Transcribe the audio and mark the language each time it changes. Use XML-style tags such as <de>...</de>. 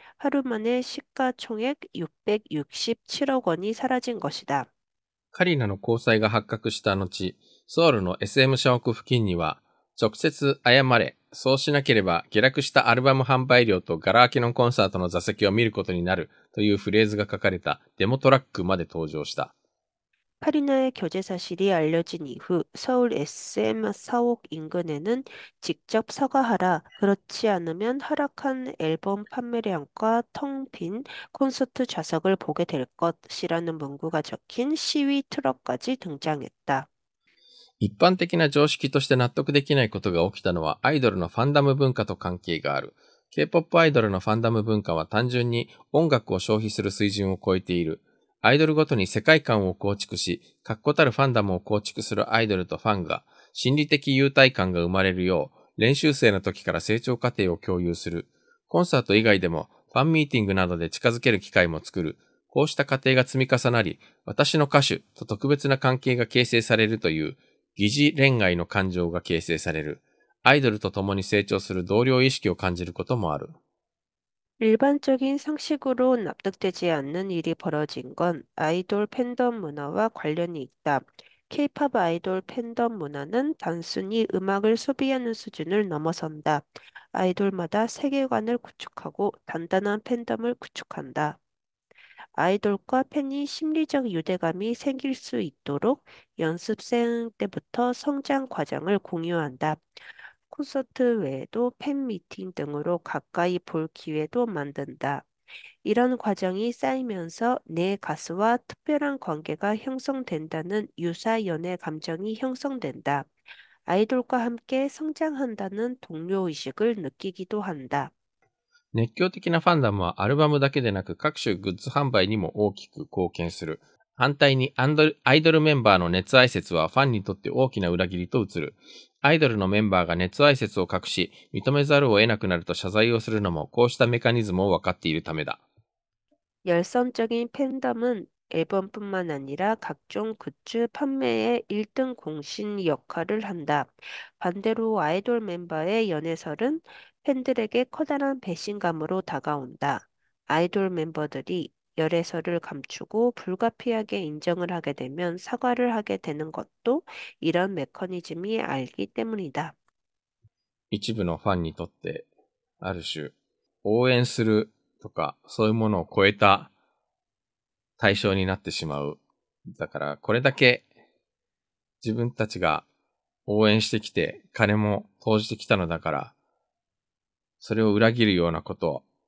<ko>하루 만에 시가총액 667억 원이 사라진 것이다.</ko> <ja>カリナの交際が発覚した後、ソウルの SM ショック付近には、直接謝れ、そうしなければ下落したアルバム販売料とガラ空きのコンサートの座席を見ることになるというフレーズが書かれたデモトラックまで登場した。</ja> <ko>カリナ의 교제 사실이 알려진 이후 서울 SM 사옥 인근에는 직접 사과하라. 그렇지 않으면 하락한 앨범 판매량과 텅빈 콘서트 좌석을 보게 될 것이라는 문구가 적힌 시위 트럭까지 등장했다.</ko> <ja>一般的な常識として納得できないことが起きたのはアイドルのファンダム文化と関係がある。 K-POP アイドルのファンダム文化は単純に音楽を消費する水準を超えている。アイドルごとに世界観を構築し、確固たるファンダムを構築するアイドルとファンが心理的優待感が生まれるよう練習生の時から成長過程を共有する。コンサート以外でもファンミーティングなどで近づける機会も作る。こうした過程が積み重なり、私の歌手と特別な関係が形成されるという疑似恋愛の感情が形成される。アイドルと共に成長する同僚意識を感じることもある。</ja> <ko>일반적인 상식으로 납득되지 않는 일이 벌어진 건 아이돌 팬덤 문화와 관련이 있다. K-POP 아이돌 팬덤 문화는 단순히 음악을 소비하는 수준을 넘어선다. 아이돌마다 세계관을 구축하고 단단한 팬덤을 구축한다. 아이돌과 팬이 심리적 유대감이 생길 수 있도록 연습생 때부터 성장 과정을 공유한다. 콘서트 외에도 팬 미팅 등으로 가까이 볼 기회도 만든다. 이런 과정이 쌓이면서 내 가수와 특별한 관계가 형성된다는 유사 연애 감정이 형성된다. 아이돌과 함께 성장한다는 동료 의식을 느끼기도 한다.</ko> <ja>熱狂的なファンダムはアルバムだけでなく各種グッズ販売にも大きく貢献する。反対にアイドルメンバーの熱愛説はファンにとって大きな裏切りと映る。アイドルのメンバーが熱愛説を隠し、認めざるを得なくなると謝罪をするのもこうしたメカニズムを分かっているためだ。</ja> <ko>열성적인 팬덤은 앨범뿐만 아니라 각종 굿즈 판매에 1등 공신 역할을 한다. 반대로 아이돌 멤버의 연애설은 팬들에게 커다란 배신감으로 다가온다. 아이돌 멤버들이 열애설을 감추고 불가피하게 인정을 하게 되면 사과를 하게 되는 것도 이런 메커니즘이 알기 때문이다.</ko> <ja>一部のファンにとって、ある種、応援するとか、そういうものを超えた対象になってしまう。だから、これだけ自分たちが応援してきて、金も投じてきたのだから、それを裏切るようなこと、</ja>